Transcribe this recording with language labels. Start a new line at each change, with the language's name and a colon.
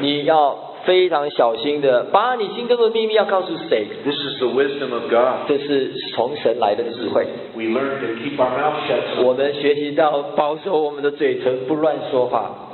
Chinese: 你要非常小心的把你心中的秘密要告诉谁。
English: This is the wisdom of God.
Chinese: 这是从神来的智慧。
English: We learn to keep our mouth shut.
Chinese: 我们学习到保守我们的嘴唇，不乱说话。